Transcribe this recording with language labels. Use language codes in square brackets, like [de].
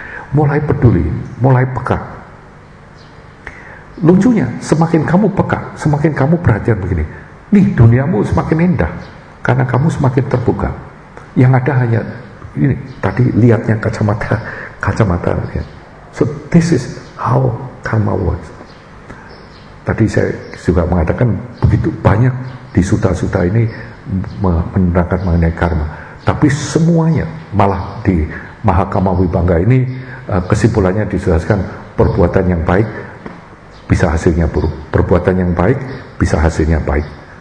[id] Mulai peduli, mulai peka. Lucunya, semakin kamu peka, semakin kamu perhatian begini, nih, duniamu semakin indah. Karena kamu semakin terbuka, yang ada hanya ini tadi lihatnya kacamata. Ya. [en] So this is how karma works. [id] Tadi saya juga mengatakan begitu banyak di sutra-sutra ini menerangkan mengenai karma, tapi semuanya malah di Mahakama Wibhanga ini kesimpulannya dijelaskan perbuatan yang baik bisa hasilnya buruk, perbuatan yang baik bisa hasilnya baik.